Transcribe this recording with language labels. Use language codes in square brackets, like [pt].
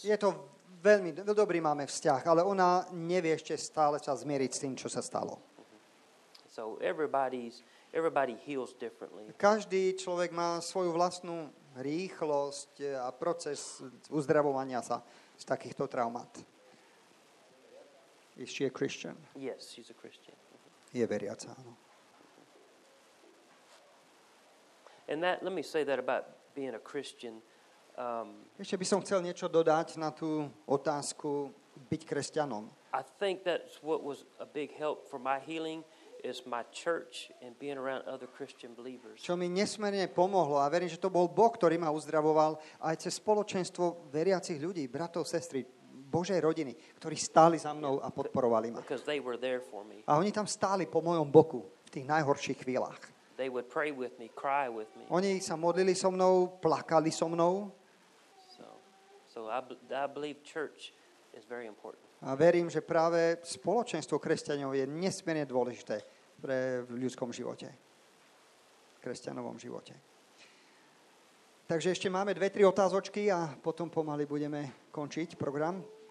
[sk] Je to veľmi, veľmi dobrý máme vzťah, ale ona nevie ešte stále sa zmieriť s tým, čo sa stalo. [en] So everybody heals differently. [sk] Každý človek má svoju vlastnú rýchlosť a proces uzdravovania sa z takýchto traumát. [en] Is she a Christian? Yes, she's a Christian. [sk] Je veriaca, áno. [en] And that, let me say that about being a Christian. [sk] Ešte by som chcel niečo dodať na tú otázku byť kresťanom. [en] I think that's what was a big help for my healing is my church and being around other Christian believers. [sk] Čo mi nesmierne pomohlo, a verím, že to bol Boh, ktorý ma uzdravoval, aj cez spoločenstvo veriacich ľudí, bratov, sestry, Božej rodiny, ktorí stáli za mnou a podporovali ma. [en] Because they were there for me. [sk] A oni tam stáli po mojom boku v tých najhorších chvíľach. [en] They would pray with me, cry with me. [sk] Oni sa modlili so mnou, plakali so mnou. [en] So I believe church is very important. [sk] A verím, že práve spoločenstvo kresťanov je nesmierne dôležité pre v ľudskom živote. V kresťanovom živote. Takže ešte máme 2-3 otázočky a potom pomaly budeme končiť program.